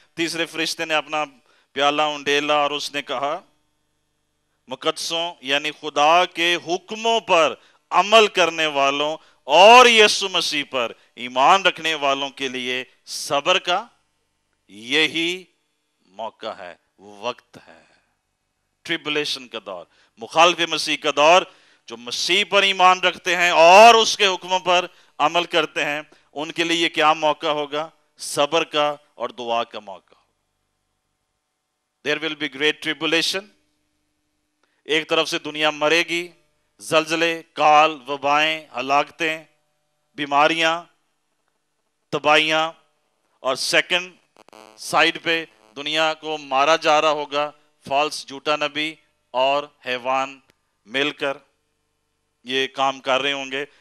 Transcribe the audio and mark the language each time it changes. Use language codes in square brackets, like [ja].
[ur] تیسرے فرشتے نے اپنا پیالہ انڈیلا اور اس نے کہا مقدسوں یعنی خدا کے حکموں پر عمل کرنے والوں اور یسوع مسیح پر ایمان رکھنے والوں کے لیے صبر کا یہی موقع ہے، وقت ہے. ٹریبلیشن کا دور، مخالف مسیح کا دور، جو مسیح پر ایمان رکھتے ہیں اور اس کے حکموں پر عمل کرتے ہیں ان کے لیے کیا موقع ہوگا؟ صبر کا اور دعا کا موقع. [en] There will be great tribulation. [ur] ایک طرف سے دنیا مرے گی، زلزلے، کال، وبائیں، ہلاکتیں، بیماریاں، تباہیاں، اور سیکنڈ سائڈ پہ دنیا کو مارا جا رہا ہوگا فالس جھوٹا نبی اور حیوان مل کر یہ کام کر رہے ہوں گے.